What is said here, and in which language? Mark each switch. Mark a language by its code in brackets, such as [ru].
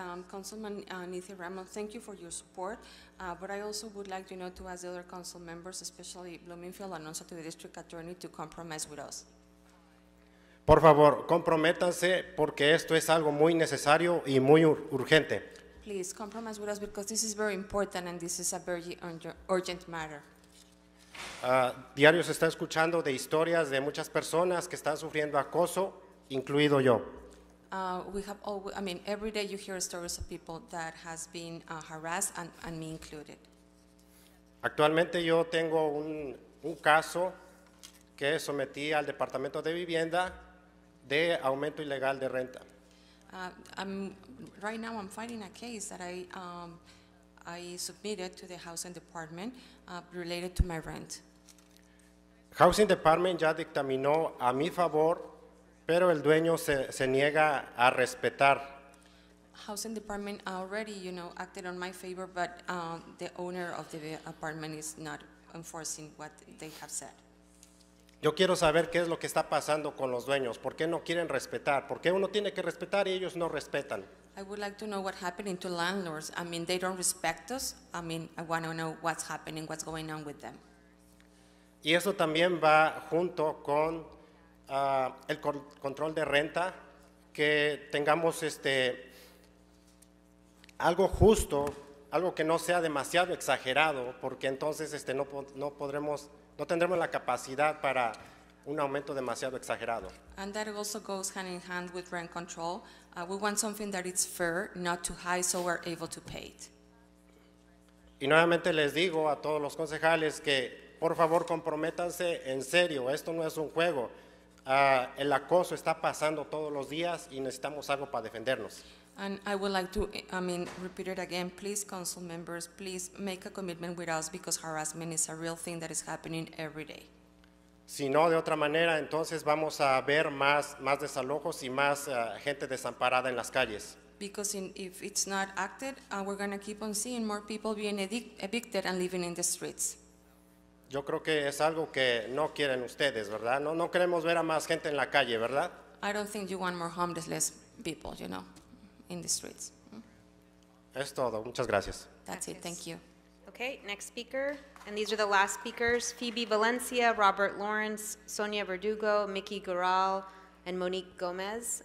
[en] Councilman Nithi Ramon, thank you for your support, but I also would like, you know, to ask the other council members, especially Bloomingfield and also to the district attorney, to compromise with us. [es] Por favor, comprométanse porque esto es algo muy necesario y muy urgente. [en] Please compromise with us because this is very important and this is a very urgent matter. [es] Diario se está escuchando de historias de muchas personas que están sufriendo acoso, incluido yo. [en] Every day you hear stories of people that has been harassed and me included. [es] Actualmente yo tengo un caso que sometí al Departamento de Vivienda de aumento ilegal de renta. [en] Right now I'm fighting a case that I submitted to the Housing Department related to my rent. [es] Housing Department ya dictaminó a mi favor, pero el dueño se niega a respetar. [en] Housing Department already, you know, acted on my favor, but the owner of the apartment is not enforcing what they have said. [es] Yo quiero saber qué es lo que está pasando con los dueños. ¿Por qué no quieren respetar? ¿Por qué uno tiene que respetar y ellos no respetan? [en] I would like to know what's happening to landlords. I mean, they don't respect us. I mean, I want to know what's happening, what's going on with them. [es] Y eso también va junto con el control de renta, que tengamos algo justo, algo que no sea demasiado exagerado, porque entonces no tendremos la capacidad para un aumento demasiado exagerado. [en] And that also goes hand in hand with rent control. We want something that is fair, not too high, so we're able to pay it. [es] Y nuevamente les digo a todos los concejales que, por favor, comprométanse en serio. Esto no es un juego. El acoso está pasando todos los días y necesitamos algo para defendernos. [en] And I would like to, repeat it again. Please, council members, please make a commitment with us because harassment is a real thing that is happening every day. [es] Si no, de otra manera, entonces vamos a ver más desalojos y más gente desamparada en las calles. [en] Because if it's not acted, we're going to keep on seeing more people being evicted and living in the streets. [es] Yo creo que es algo que no quieren ustedes, ¿verdad? No queremos ver a más gente en la calle, ¿verdad? [en] I don't think you want more homeless people, you know, in the streets. [es] Es todo. Muchas gracias. [en] That's it. Thank you. Okay, next speaker. And these are the last speakers. Phoebe Valencia, Robert Lawrence, Sonia Verdugo, Mickey Garal, and Monique Gomez.